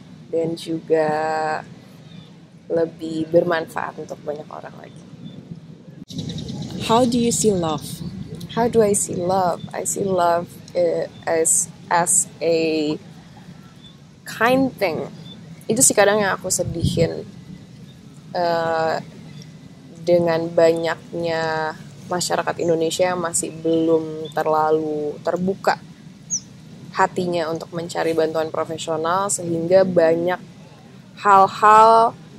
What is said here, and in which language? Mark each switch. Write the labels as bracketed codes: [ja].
[id] Dan juga lebih bermanfaat untuk banyak orang lagi. [en] How do you see love? How do I see love? I see love as a kind thing. [id] Itu sih kadang yang aku sedihin dengan banyaknya masyarakat Indonesia yang masih belum terlalu terbuka hatinya untuk mencari bantuan profesional, sehingga banyak hal-hal